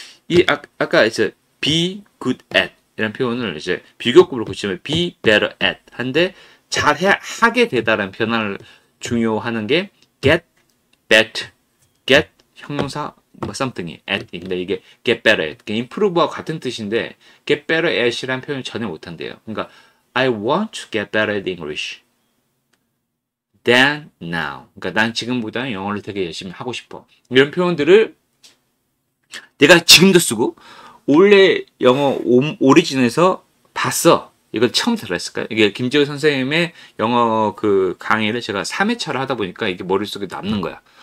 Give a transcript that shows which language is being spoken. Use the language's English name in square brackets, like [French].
[Korean] 이 아까 이제 be good at 이런 표현을 이제 비교급으로 붙이면 be better at 한데 하게 되다라는 변화를 중요하는 게 get better, get 형용사 뭐 something이 at인데 이게 get better at, improve와 같은 뜻인데 get better at이라는 표현을 전혀 못한대요. [English] 그러니까 I want to get better at English than now. [Korean] 그러니까 난 지금보다는 영어를 되게 열심히 하고 싶어. 이런 표현들을 내가 지금도 쓰고 원래 영어 오리진에서 봤어. 이걸 처음 들었을까요? 이게 김지호 선생님의 영어 그 강의를 제가 3회차를 하다 보니까 이게 머릿속에 남는 거야.